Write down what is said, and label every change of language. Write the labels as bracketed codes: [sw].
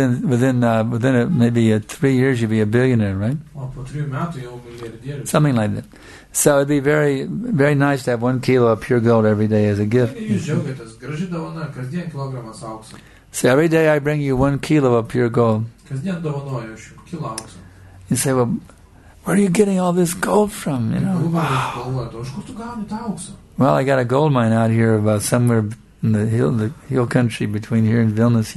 [en] And within 3 years you'd be a billionaire, right? [lt] Well, po 3 metų jau milijardierius. [en] Something like that. So it'd be very, very nice to have 1 kilo of pure gold every day as a gift. [lt] Jūs džiaugiatės, graži dovana, kasdien kilogramas aukso. [en] So every day I bring you 1 kilo of pure gold. [lt] Kasdien dovanoju jums 1 kilo aukso. [en] You say, well, where are you getting all this gold from? You know. Well, I got a gold mine out here about somewhere in the hill country between here and Vilnius.